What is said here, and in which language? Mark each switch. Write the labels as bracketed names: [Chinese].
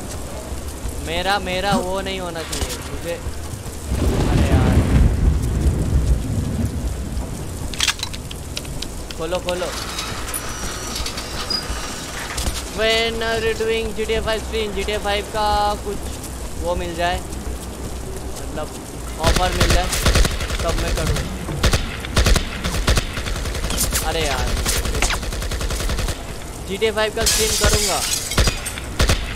[Hindi] मेरा वो नहीं होना चाहिए मुझे। अरे यार खोलो [English] When are you doing GTA 5 stream? [Hindi] GTA 5 का कुछ वो मिल जाए, मतलब ऑफर मिल जाए तब मैं करूँ। अरे यार GTA 5 का स्ट्रीम करूँगा।